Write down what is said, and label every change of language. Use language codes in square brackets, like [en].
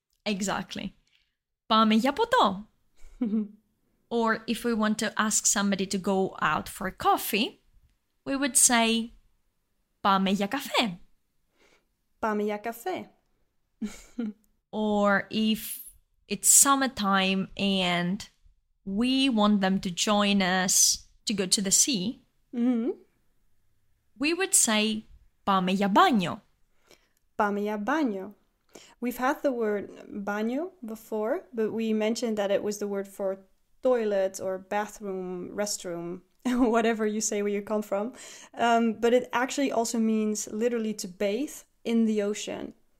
[en] Exactly. [el] Πάμε για ποτό. [en] Or if we want to ask somebody to go out for a coffee, we would say, [el] πάμε για καφέ. Πάμε για καφέ. [en] Or if it's summertime and we want them to join us to go to the sea, mm-hmm. we would say [el] πάμε για μπάνιο. Πάμε για μπάνιο. [en] We've had the word μπάνιο before, but we mentioned that it was the word for toilet or bathroom, restroom. Whatever you say where you come from. But it actually also means literally to bathe in the ocean.